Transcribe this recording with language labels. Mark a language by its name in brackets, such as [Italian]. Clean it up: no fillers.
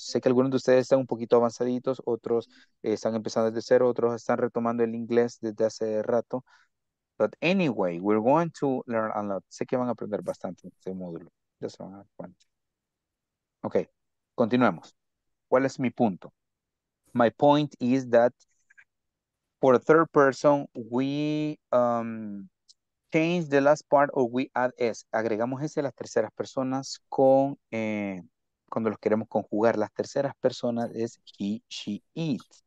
[Spanish] Sé que algunos de ustedes están un poquito avanzaditos, otros están empezando desde cero, otros están retomando el inglés desde hace rato. [English] But anyway, we're going to learn a lot. [Spanish] Sé que van a aprender bastante este módulo. Ya se van a dar cuenta. Ok, continuemos. ¿Cuál es mi punto? [English] My point is that for a third person, we change the last part or we add S. [Spanish] Agregamos S a las terceras personas con... cuando los queremos conjugar, las terceras personas es he, she, it.